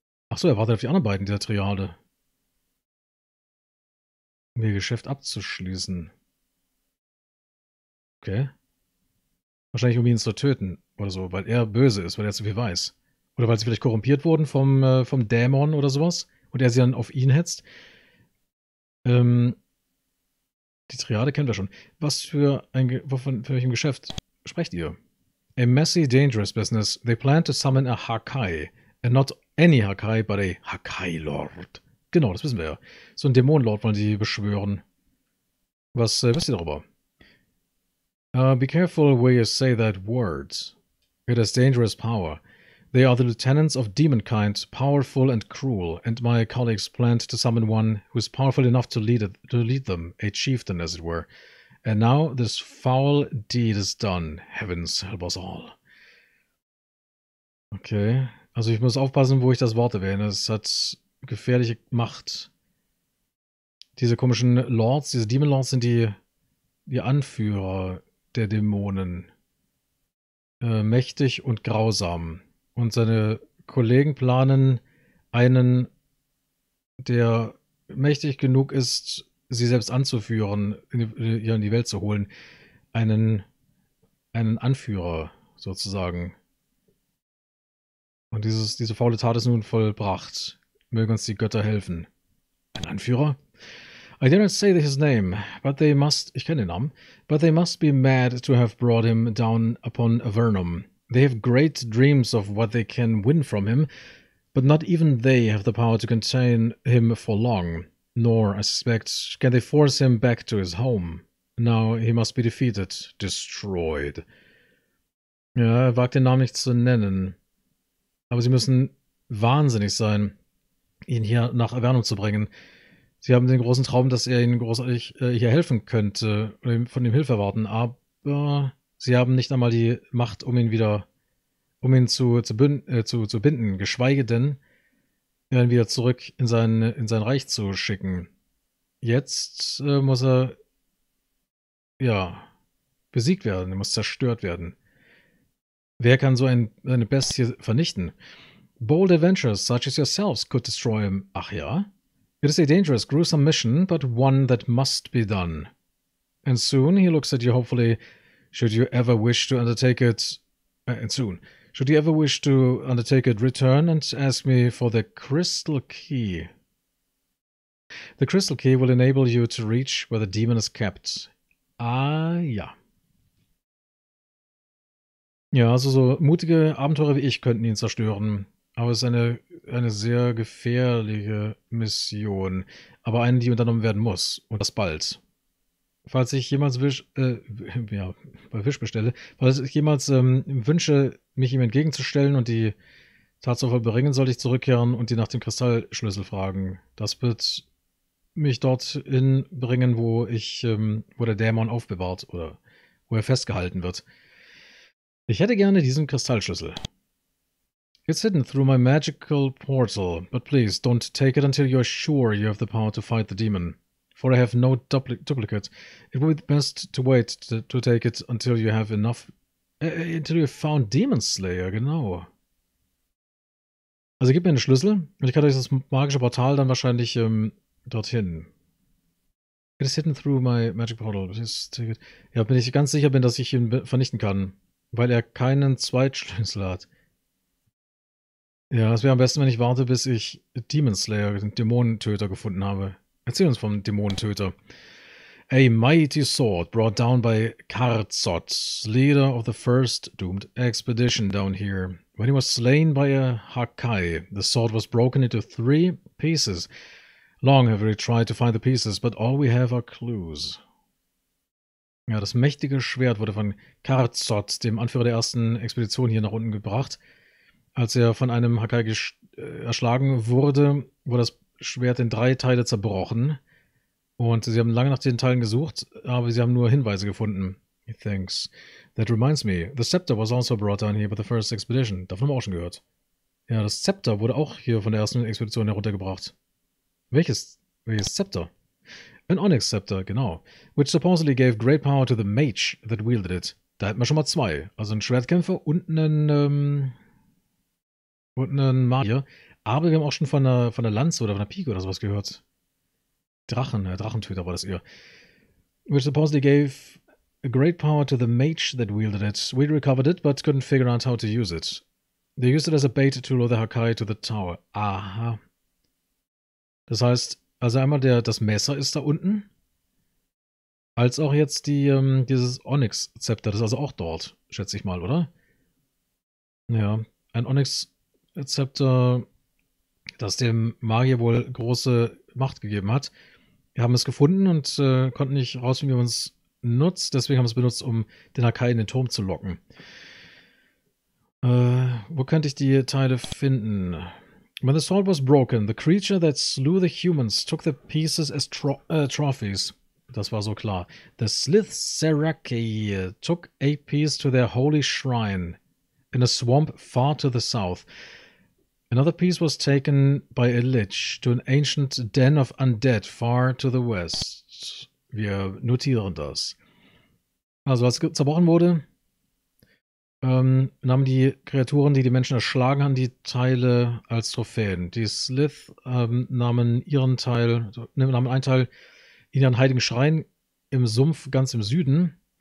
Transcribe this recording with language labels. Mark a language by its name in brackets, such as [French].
[German] Achso, er wartet auf die anderen beiden der Triade. Um ihr Geschäft abzuschließen. Okay. Wahrscheinlich um ihn zu töten oder so, weil er böse ist, weil er zu viel weiß. Oder weil sie vielleicht korrumpiert wurden vom Dämon oder sowas und er sie dann auf ihn hetzt. Die Triade kennen wir schon. Was für ein für welchem Geschäft sprecht ihr? [English] A messy, dangerous business. They plan to summon a Hakai. And not any Hakai, but a Hakai-Lord. [German] Genau, das wissen wir ja. So ein Dämonenlord wollen sie beschwören. Was wisst ihr darüber? [English] Be careful where you say that word. It has dangerous power. They are the lieutenants of demonkind, powerful and cruel, and my colleagues planned to summon one who is powerful enough to lead them, a chieftain, as it were. And now this foul deed is done. Heavens help us all. [German] Okay, also ich muss aufpassen, wo ich das Wort erwähne. Es hat gefährliche Macht. Diese komischen Lords, diese Demon Lords sind die Anführer der Dämonen. Mächtig und grausam. Und seine Kollegen planen, einen, der mächtig genug ist, sie selbst anzuführen, ihr in die Welt zu holen. Einen Anführer, sozusagen. Und diese faule Tat ist nun vollbracht. Mögen uns die Götter helfen. Ein Anführer? [English] I didn't say his name, but they must... [German] Ich kenne den Namen. [English] But they must be mad to have brought him down upon Avernum. They have great dreams of what they can win from him, but not even they have the power to contain him for long. Nor, I suspect, can they force him back to his home. Now he must be defeated, destroyed. [German] Ja, er wagt den Namen nicht zu nennen. Aber sie müssen wahnsinnig sein, ihn hier nach Avernum zu bringen. Sie haben den großen Traum, dass er ihnen großartig hier helfen könnte und von ihm Hilfe erwarten, aber sie haben nicht einmal die Macht, um ihn wieder, um ihn zu binden, geschweige denn, ihn wieder zurück in sein Reich zu schicken. Jetzt muss er, ja, besiegt werden, er muss zerstört werden. Wer kann so eine Bestie vernichten? [English] Bold adventurers such as yourselves could destroy him. [German] Ach ja? [English] It is a dangerous, gruesome mission, but one that must be done. And soon he looks at you, hopefully, should you ever wish to undertake it, should you ever wish to undertake it, return and ask me for the crystal key. The crystal key will enable you to reach where the demon is kept. [German] Ah, ja. Ja, also so mutige Abenteurer wie ich könnten ihn zerstören. Aber es ist eine sehr gefährliche Mission. Aber eine, die unternommen werden muss. Und das bald. Falls ich jemals Wisch, ja, bei Fisch bestelle, falls ich jemals wünsche, mich ihm entgegenzustellen und die Tatsache bringen, sollte ich zurückkehren und ihn nach dem Kristallschlüssel fragen. Das wird mich dorthin bringen, wo ich, wo der Dämon aufbewahrt oder wo er festgehalten wird. Ich hätte gerne diesen Kristallschlüssel. [English] It's hidden through my magical portal, but please don't take it until you're sure you have the power to fight the demon. For I have no duplicate. It would be best to wait to take it until you have enough... until you've found Demon Slayer, [German] genau. Also gib mir einen Schlüssel und ich kann euch das magische Portal dann wahrscheinlich dorthin. [English] It is hidden through my magic portal. Please take it. [German] Ja, wenn ich ganz sicher bin, dass ich ihn vernichten kann, weil er keinen Zweitschlüssel hat. Ja, es wäre am besten, wenn ich warte, bis ich Demon Slayer, den Dämonentöter, gefunden habe. Erzähl uns vom Dämonentöter. [English] A mighty sword brought down by Karzot, leader of the first doomed expedition down here. When he was slain by a Hakai, the sword was broken into three pieces. Long have we tried to find the pieces, but all we have are clues. [German] Ja, das mächtige Schwert wurde von Karzot, dem Anführer der ersten Expedition, hier nach unten gebracht. Als er von einem Hakai erschlagen wurde, wurde das Schwert in drei Teile zerbrochen. Und sie haben lange nach den Teilen gesucht, aber sie haben nur Hinweise gefunden. [English] Thanks. That reminds me, the Scepter was also brought down here by the first expedition. [German] Davon haben wir auch schon gehört. Ja, das Scepter wurde auch hier von der ersten Expedition heruntergebracht. Welches Scepter? [English] An Onyx Scepter, [German] genau. [English] Which supposedly gave great power to the mage that wielded it. [German] Da hätten wir schon mal zwei. Also ein Schwertkämpfer und einen, und einen Magier. Aber wir haben auch schon von einer Lanze oder von einer Pike oder sowas gehört. Drachentöter war das eher. [English] Which supposedly gave a great power to the mage that wielded it. We recovered it, but couldn't figure out how to use it. They used it as a bait to lure the Hakai to the tower. [German] Aha. Das heißt, also einmal das Messer ist da unten. Als auch jetzt dieses Onyx-Zepter. Das ist also auch dort, schätze ich mal, oder? Ja, ein Onyx-Zepter, das dem Magier wohl große Macht gegeben hat. Wir haben es gefunden und konnten nicht rausfinden, wie man es nutzt. Deswegen haben wir es benutzt, um den Hakai in den Turm zu locken. Wo könnte ich die Teile finden? [English] When the sword was broken, the creature that slew the humans took the pieces as trophies. [German] Das war so klar. [English] The Slith Seraki took a piece to their holy shrine in a swamp far to the south. Another piece was taken by a lich to an ancient den of undead far to the west. [German] Wir notieren das. Also als zerbrochen wurde, nahmen die Kreaturen, die Menschen erschlagen haben, die Teile als Trophäen. Die Slith nahmen einen Teil in ihren heiligen Schrein im Sumpf ganz im Süden.